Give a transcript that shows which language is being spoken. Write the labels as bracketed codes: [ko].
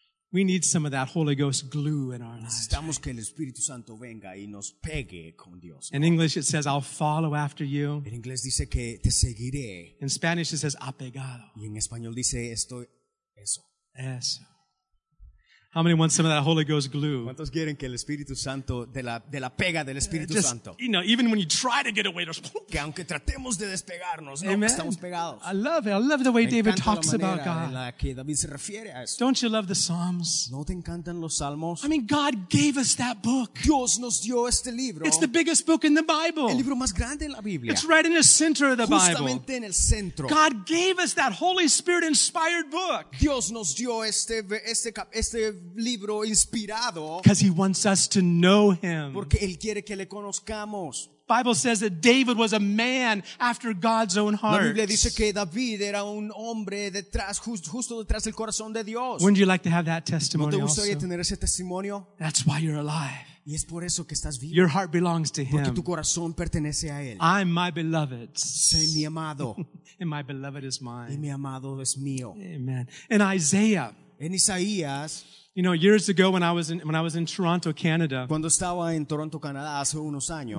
[en] We need some of that Holy Ghost glue in our lives. [es] Necesitamos que el Espíritu Santo venga y nos pegue con Dios. [en] In English it says, I'll follow after you. [es] En inglés dice que te seguiré. [en] In Spanish it says, apegado. [es] Y en español dice, estoy eso. Eso. [en] How many want some of that Holy Ghost glue? [es] ¿Cuántos quieren que el Espíritu Santo, de la pega del Espíritu [en] Just, [es] Santo? [en] You know, even when you try to get away, there's... [es] Que aunque tratemos de despegarnos, no, estamos pegados. [en] I love it. I love the way David talks about God. [es] En la que David se refiere a eso. [en] Don't you love the Psalms? [es] ¿No te encantan los Salmos? [en] I mean, God gave us that book. [es] Dios nos dio este libro. [en] It's the biggest book in the Bible. [es] El libro más grande en la Biblia. [en] It's right in the center of the [es] Justamente [en] Bible. [es] Justamente en el centro. [en] God gave us that Holy Spirit inspired book. [es] Dios nos dio este libro inspirado, [en] because he wants us to know him. [es] Porque él quiere que le conozcamos. [en] Bible says that David was a man after God's own heart. [es] La Biblia dice que David era un hombre detrás, justo detrás del corazón de Dios. [en] Wouldn't you like to have that testimony? [es] ¿No te gustaría [en] also? [es] Tener ese testimonio? [en] That's why you're alive. [es] Y es por eso que estás vivo. [en] Your heart belongs to him. [es] Porque tu corazón pertenece a él. [en] I'm my beloved. [es] Soy mi amado. [en] And my beloved is mine. [es] Y mi amado es mío. [en] Amen. And Isaiah. [es] En Isaías. [en] You know, years ago when I was in Toronto, Canada. [es] Cuando estaba en Toronto, Canadá, hace unos años.